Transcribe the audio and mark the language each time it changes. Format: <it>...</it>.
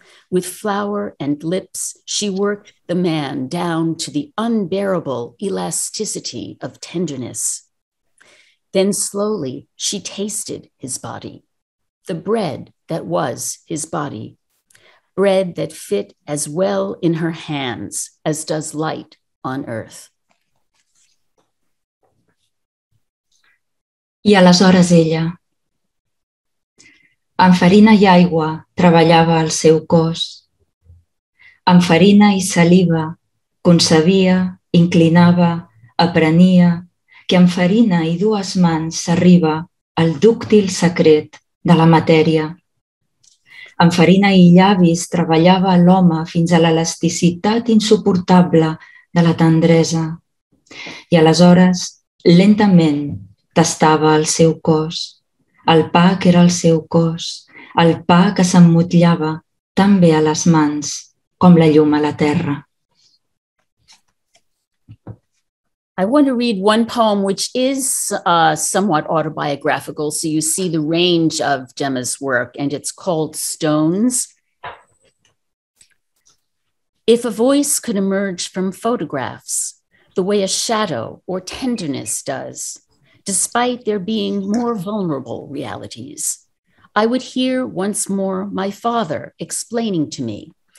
<en>With flour and lips, she worked the man down to the unbearable elasticity of tenderness. Then slowly she tasted his body, the bread that was his body, bread that fit as well in her hands as does light on earth.</en> <ca>I aleshores ella, amb farina i aigua, treballava el seu cos. Amb farina i saliva, concebia, inclinava, aprenia que amb farina i dues mans s'arriba al dúctil secret de la matèria. Amb farina i llavis treballava l'home fins a l'elasticitat insuportable de la tendresa i aleshores lentament tastava el seu cos, el pa que era el seu cos, el pa que s'emmotllava tan bé a les mans com la llum a la terra.</ca> <en>I want to read one poem which is somewhat autobiographical, so you see the range of Gemma's work, and it's called Stones. If a voice could emerge from photographs, the way a shadow or tenderness does, despite there being more vulnerable realities, I would hear once more my father explaining to me</en>